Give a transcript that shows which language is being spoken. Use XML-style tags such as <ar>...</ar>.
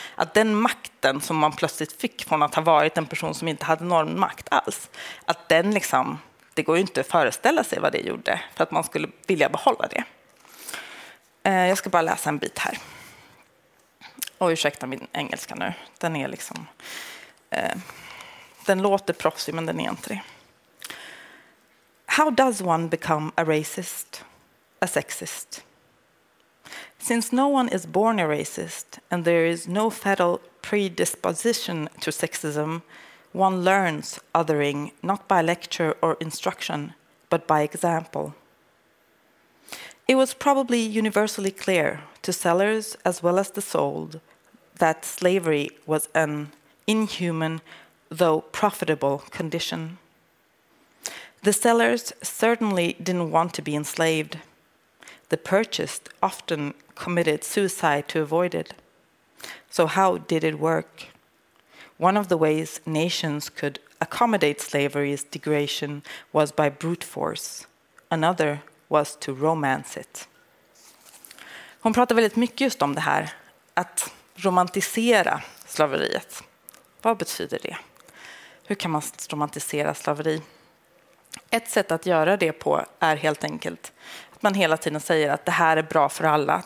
<sv>Att den makten som man plötsligt fick från att ha varit en person som inte hade någon makt alls, att den liksom, det går ju inte att föreställa sig vad det gjorde för att man skulle vilja behålla det. Jag ska bara läsa en bit här. Och ursäkta min engelska nu. Den är liksom... den låter proffsig, men den är inte det.</sv> <en>How does one become a racist, a sexist? Since no one is born a racist and there is no fatal predisposition to sexism, one learns othering not by lecture or instruction, but by example. It was probably universally clear to sellers as well as the sold that slavery was an inhuman, though profitable, condition. The sellers certainly didn't want to be enslaved. The purchased often committed suicide to avoid it. So how did it work? One of the ways nations could accommodate slavery's degradation was by brute force. Another was to romance it.</en> <sv>Hon pratar väldigt mycket just om det här, att romantisera slaveriet. Vad betyder det? Hur kan man romantisera slaveri? Ett sätt att göra det på är helt enkelt att man hela tiden säger att det här är bra för alla.</sv>